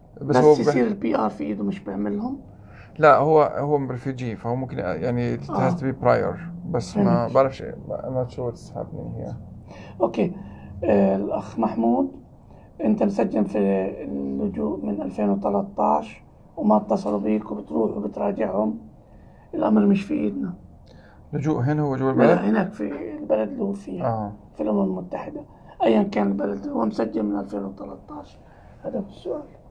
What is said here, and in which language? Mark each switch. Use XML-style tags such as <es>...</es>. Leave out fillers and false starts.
<ar>بس هو يصير البي ار في ايده مش بيعملهم. لا هو ريفيوجي فهو ممكن يعني</ar> <en>it has to be prior،</en> <ar>بس ما بعرف شيء</ar> <en>I'm not sure what's happening here.</en> <ar>اوكي الاخ محمود، انت مسجل في اللجوء من 2013 وما اتصلوا بيك وبتروح وبتراجعهم، الامر مش في ايدنا. لجوء هنا هو جوا البلد؟ لا هناك في البلد اللي هو فيها في الامم المتحده ايا كان البلد، هو مسجل من 2013 هذا هو السؤال.</ar>